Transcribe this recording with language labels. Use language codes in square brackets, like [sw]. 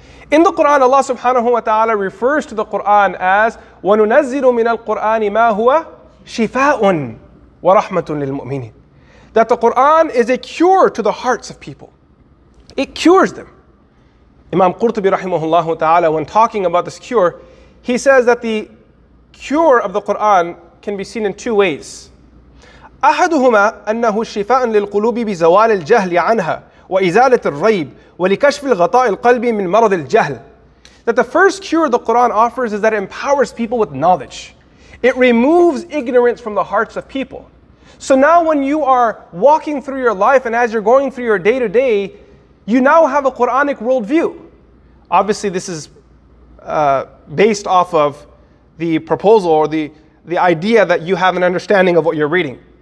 [en] In the Quran, Allah subhanahu wa ta'ala refers to the Quran as [ar] وَنُنَزِّلُ مِنَ الْقُرْآنِ مَا هُوَ شِفَاءٌ وَرَحْمَةٌ لِلْمُؤْمِنِينَ. [en] That the Quran is a cure to the hearts of people. It cures them. Imam Qurtubi rahimahullah ta'ala, when talking about this cure, he says that the cure of the Quran can be seen in two ways. [ar] أحدهما أنه شفاء للقلوب بزوال الجهل عنها وإزالة الريب ولكشف الغطاء القلبي من مرض الجهل. [en] That the first cure the Quran offers is that it empowers people with knowledge. It removes ignorance from the hearts of people. So now when you are walking through your life and as you're going through your day to day, you now have a Quranic worldview. Obviously this is based off of the proposal or the idea that you have an understanding of what you're reading.